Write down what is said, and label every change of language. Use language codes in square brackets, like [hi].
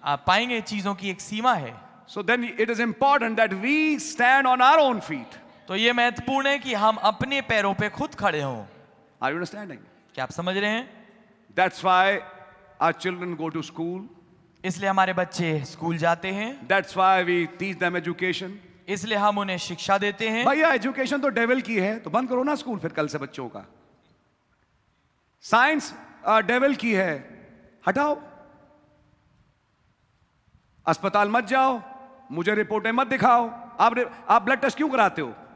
[hi] आप पाएंगे चीजों की एक सीमा है। [en] So then it is important that we stand on our own feet. [hi] तो ये महत्वपूर्ण है कि हम अपने पैरों पे खुद खड़े हों। [en] Are you understanding? [hi] क्या आप समझ रहे हैं? [en] That's why our children go to school. [hi] इसलिए हमारे बच्चे स्कूल जाते हैं। [en] That's why we teach them education. [hi] इसलिए हम उन्हें शिक्षा देते हैं। भैया एजुकेशन तो डेविल की है, तो बंद करो ना स्कूल फिर कल से बच्चों का। साइंस डेविल की है, हटाओ। अस्पताल मत जाओ, मुझे रिपोर्टें मत दिखाओ। आप ब्लड टेस्ट क्यों कराते हो?